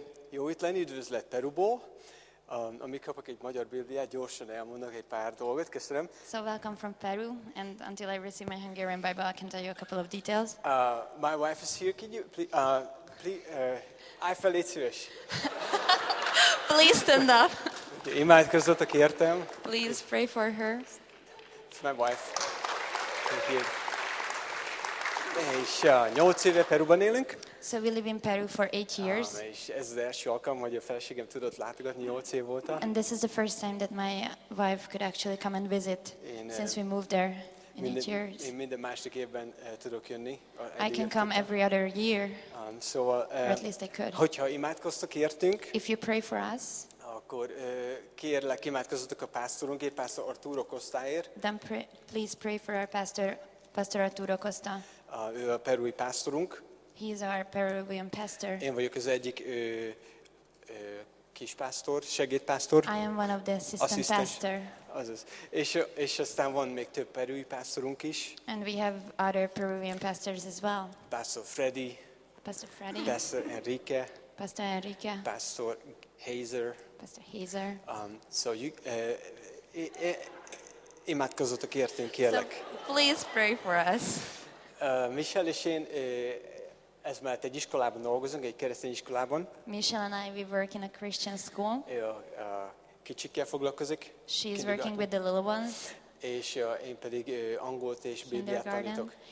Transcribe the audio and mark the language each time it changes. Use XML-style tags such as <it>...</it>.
<hu>Jó itt lenni, üdvözlet Perúból. Amíg kapok egy magyar Bibliát, gyorsan elmondok egy pár dolgot. Köszönöm.</hu> <en>So welcome from Peru, and until I receive my Hungarian Bible, I can tell you a couple of details. My wife is here. Can you please? Eiffel,</en> <hu>légy szíves.</hu> <en>Please stand up.</en> <hu>Imádkozzatok értem.</hu> <en>Please pray for her. It's my wife. Thank you.</en> <hu>És 8 éve Perúban élünk.</hu> <en>So we live in Peru for 8 years.</en> <hu>És ez az első alkalom, hogy a feleségem tudott látogatni 8 év óta.</hu> <en>And this is the first time that my wife could actually come and visit since we moved there in 8 years.</en> <hu>Én minden második évben tudok jönni.</hu> <en>I can come every other year. Or at least I could.</en> <hu>Hogyha imádkoztok értünk.</hu> <en>If you pray for us.</en> <hu>Akkor kérlek, imádkozzatok a pásztorunkért, Pásztor Arturo Costáért.</hu> <en>Then please pray for our pastor Arturo Costa.</en> <hu>Ő a perui pásztorunk.</hu> <en>He is our Peruvian pastor.</en> <hu>Én vagyok az egyik kispásztor, segédpásztor.</hu> <en>I am one of the assistant pastor.</en> <hu>Azaz. És aztán van még több perui pásztorunk is.</hu> <en>And we have other Peruvian pastors as well. Pastor Freddy. Pastor Freddy. Pastor Enrique. Pastor Enrique. Pastor Hazer. Pastor Hazer. So you</en> <hu>imádkozzatok értünk, kérlek.</hu> <en>So please pray for us.</en> <hu>Michelle és én ez mellett egy iskolában dolgozunk, egy keresztény iskolában.</hu> <en>Michelle and I, we work in a Christian school.</en> <hu>Kicsikkel foglalkozik.</hu> <en>She's working with the little ones.</en> <hu>És én pedig angolt és Bibliát tanítok.</hu>